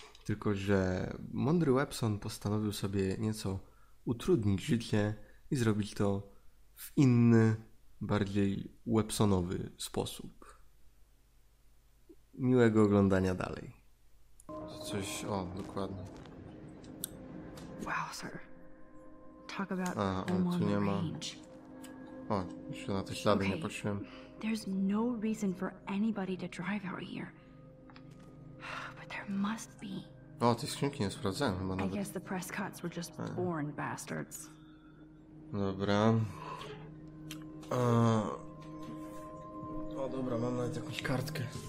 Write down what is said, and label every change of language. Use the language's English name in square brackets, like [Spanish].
[Polish] Tylko, że mądry Webson postanowił sobie nieco utrudnić życie i zrobić to w inny, bardziej Websonowy sposób. Miłego oglądania dalej. Coś, o, dokładnie. [English] Wow, sir. Talk about the range. [Polish] O, jeszcze na te ślady nie patrzyłem. [English] There's no reason for anybody to drive out here. But there must be. [Polish] O, tej skrzynki nie sprawdzałem chyba nawet. [English] I guess the Prescotts were just born bastards. [Polish] Dobra. O, dobra, mam nawet jakąś kartkę.